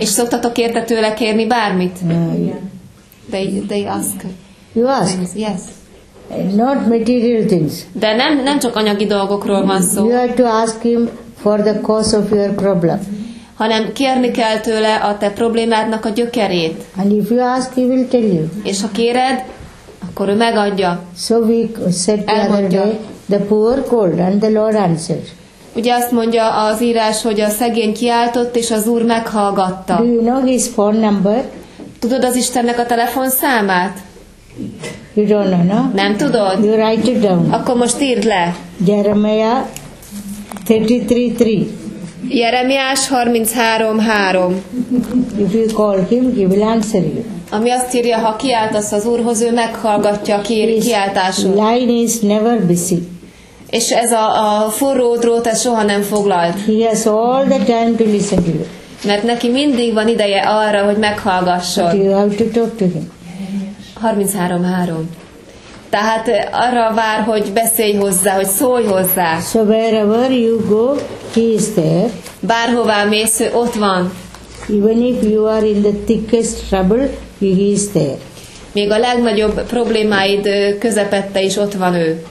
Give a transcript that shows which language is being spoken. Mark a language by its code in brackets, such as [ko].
[hu] És szoktatok érte tőle kérni bármit? [en] No, they ask. You ask? Yes. Not material things. [hu] De nem csak anyagi dolgokról van szó. [en] You have to ask him for the cause of your problem. [hu] Hanem kérni kell tőle a te problémádnak a gyökerét. [en] And if you ask, he will tell you. [hu] És ha kéred, akkor ő megadja. [en] So we said the other day, the poor called and the Lord answered. [hu] Ugye azt mondja az írás, hogy a szegény kiáltott és az Úr meghallgatta. [en] Do you know his phone number? [hu] Tudod az Istennek a telefonszámát? [en] You don't know, no? [hu] Nem tudod? [en] You write it down. [hu] Akkor most írd le. [en] Jeremiah 33:3. [hu] Jeremiás 33:3. [en] If you call him, he will answer you. [hu] Ami azt írja, ha kiáltasz az Úrhoz, ő meghallgatja a kiáltásod. [en] Line is never busy. [hu] És ez a forró drót, ez soha nem foglalt. [en] He has all the time to listen to you. [hu] Mert neki mindig van ideje arra, hogy meghallgasson. [en] But you have to talk to him. 33:3. [hu] Tehát arra vár, hogy beszélj hozzá, hogy szólj hozzá. [en] So wherever you go, he is there. [hu] Bárhová mész, ő ott van. [en] Even if you are in the thickest trouble, he is there. [hu] Még a legnagyobb problémáid közepette is ott van ő.